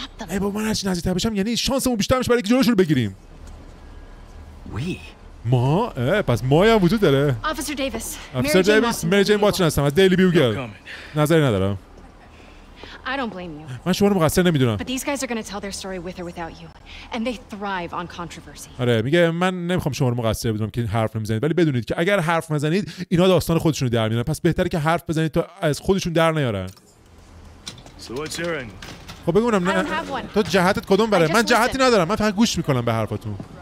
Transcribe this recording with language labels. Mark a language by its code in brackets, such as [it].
[fa] ای بابا من هرچی نزدیک‌تر بشم یعنی شانسمون بیشتر میشه برای اینکه جلوشون رو بگیریم. ما پس ما هم وجود داره. افسر دیویس مری جین واتسون هستم از دیلی بیوگل. نظری ندارم. [en] I don't blame you. [fa] من شما رو مقصر نمیدونم. [en] But these guys are going to tell their story with or without you and they thrive on controversy. [fa] آره میگه من نمیخوام شما رو مقصر بدونم که حرف نمیزنید، ولی بدونید که اگر حرف نزنید اینا داستان خودشون رو در میارن، پس بهتره که حرف بزنید تا از خودشون در نیارن. [en] So what's your end? [fa] خب بگونم نه تو جهتت کدوم بره؟ من جهتی ندارم، من فقط گوش میکنم به حرفاتون.